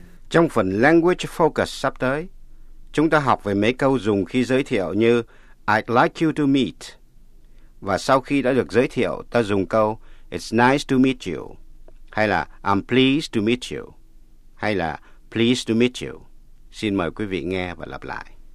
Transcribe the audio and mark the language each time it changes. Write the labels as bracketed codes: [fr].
[vi] Trong phần Language Focus sắp tới, chúng ta học về mấy câu dùng khi giới thiệu như [en] I'd like you to meet. [vi] Và sau khi đã được giới thiệu, ta dùng câu [en] It's nice to meet you. [vi] Hay là [en] I'm pleased to meet you. Hay là pleased to meet you. [vi] Xin mời quý vị nghe và lặp lại.